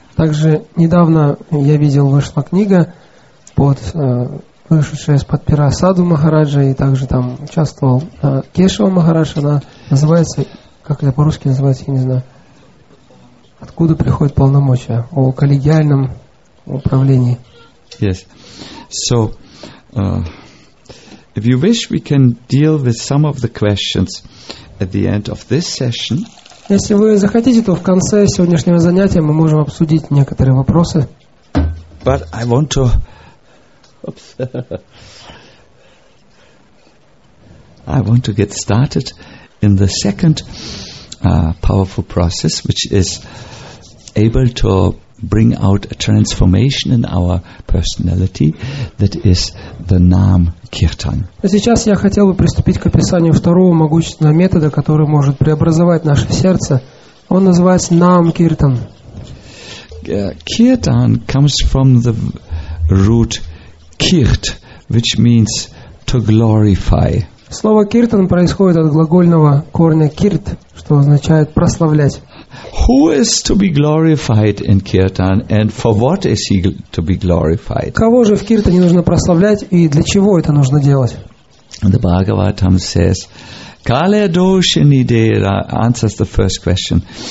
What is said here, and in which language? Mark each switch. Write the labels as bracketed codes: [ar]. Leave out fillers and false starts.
[ru] Также недавно я видел вышла книга под вышедшая из-под пера Саду Махараджа, и также там участвовал Кешава Махарадж. Она называется, как это по-русски называется, я не знаю. Откуда приходят полномочия о коллегиальном управлении? [en] Yes. So, if you wish, we can deal with some of the questions at the end of this session. [ru] Если вы захотите, то в конце сегодняшнего занятия мы можем обсудить некоторые вопросы. [en] But I want to... Oops. I want to get started in the second powerful process, which is able to bring out a transformation in our personality, that is the Naam Kirtan. [ru] Сейчас я хотел бы приступить к описанию второго могущественного метода, который может преобразовать наше сердце. Он называется Naam Kirtan. [en] Kirtan comes from the root kirt, which means to glorify. [ru] Слово Kirtan происходит от глагольного корня kirt, что означает прославлять. [en] Who is to be glorified in Kirtan, and for what is he to be glorified? [ru] Кого же в Киртане нужно прославлять и для чего это нужно делать? [en] The Bhagavatam says, "Kale dosha nidera" answers the first question.